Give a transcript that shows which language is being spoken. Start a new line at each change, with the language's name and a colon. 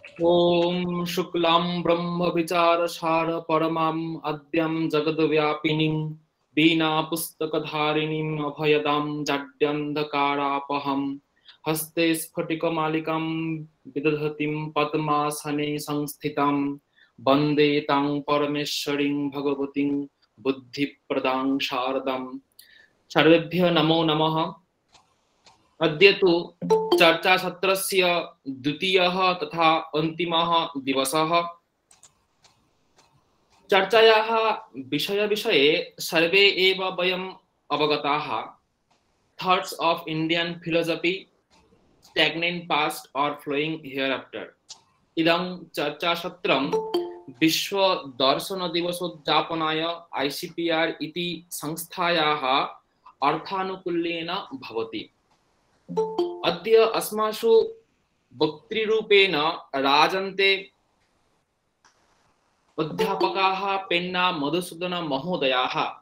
Sanskrit: ओम शुक्लाम ब्रह्म विचार सार परमाम अद्यम जगद व्यापिनीम बीना पुस्तक धारिणीम अभयदाम जाड्यंधकारापहम हस्ते स्फटिक मालिकाम विदधतिम पद्मासने संस्थितम वंदे तां परमेश्वरीं भगवतीं बुद्धि प्रदां शारदाम सर्वेभ्यः नमो नमः। अद्य तु चर्चा सत्रस्य द्वितीयः तथा अन्तिमः दिवसः। चर्चायाः विषयविषये सर्वे एव वयम् अवगताः।
English: Thoughts of Indian philosophy stagnant past और flowing hereafter.
Sanskrit: इदं चर्चा सत्रं विश्व दर्शन दिवसोद्यापनाय आईसीपीआर इति संस्थायाः अर्थानुकूल्येन भवति। अद्य अस्मासु वक्तृरूपेण राजन्ते अध्यापकाः पेन्ना मधुसूदन महोदयाः।